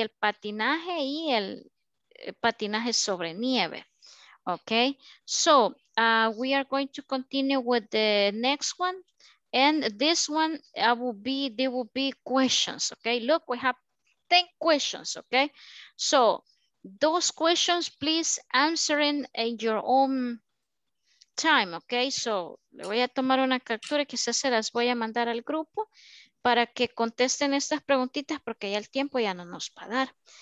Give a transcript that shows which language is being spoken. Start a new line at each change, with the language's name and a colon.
Spanish: El patinaje y el patinaje sobre nieve, okay?
English: So we are going to continue with the next one. And this one, there will be questions, okay? Look, we have 10 questions, okay? So those questions, please answer in your own time, okay?
Spanish: So le voy a tomar una captura, quizás se las voy a mandar al grupo para que contesten estas preguntitas porque ya el tiempo ya no nos va a dar.